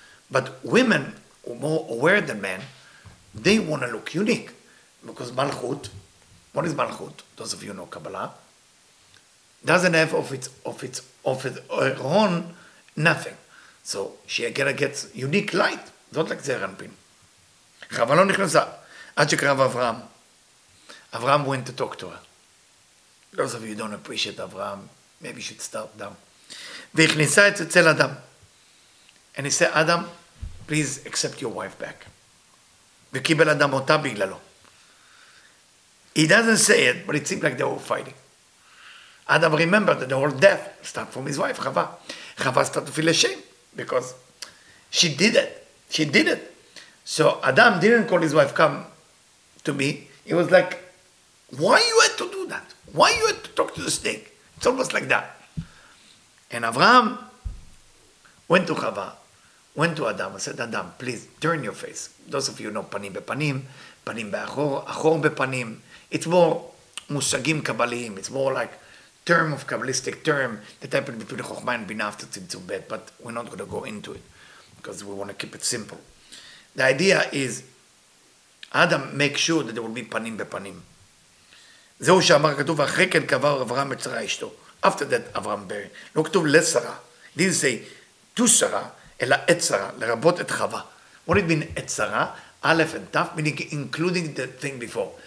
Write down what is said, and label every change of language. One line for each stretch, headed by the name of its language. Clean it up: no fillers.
English: But women, who are more aware than men, they want to look unique. Because Malchut, what is Malchut? Those of you know Kabbalah, doesn't have of its own, nothing. So she again gets unique light, not like Zeher Anpin.
Hebrew: חווה לא נכנסה, עד שקרב אברהם.
English: אברהם went to talk to her. Those of you don't appreciate אברהם, maybe you should start down.
Hebrew: והכניסה את אצל אדם.
English: And he said, אדם, please accept your wife back.
Hebrew: וקיבל אדם אותה בגללו.
English: He doesn't say it, but it seems like they were fighting. Adam remembered that the whole death started from his wife, Chava. Chava started to feel ashamed because she did it. She did it. So Adam didn't call his wife, come to me. He was like, why you had to do that? Why you had to talk to the snake? It's almost like that. And Avraham went to Chava, went to Adam and said, Adam, please turn your face. Those of you know panim bepanim, panim be'achor, achor bepanim. It's more musagim kabbalim. It's more like term of kabbalistic term that happened between Chochmah and Binah after Tzimtzum Bet. But we're not going to go into it because we want to keep it simple. The idea is Adam makes sure that there will be panim bepanim.
Hebrew: זהו שאמר כתוב אחרי כן קבר אברהם את שרה אשתו.
English: After that, Avraham buried.
Hebrew: לא כתוב לשרה.
English: Didn't say to
Hebrew: שרה, אלא את שרה, לרבות את חווה.
English: What did it mean את שרה? Aleph and Taf, meaning including the thing before.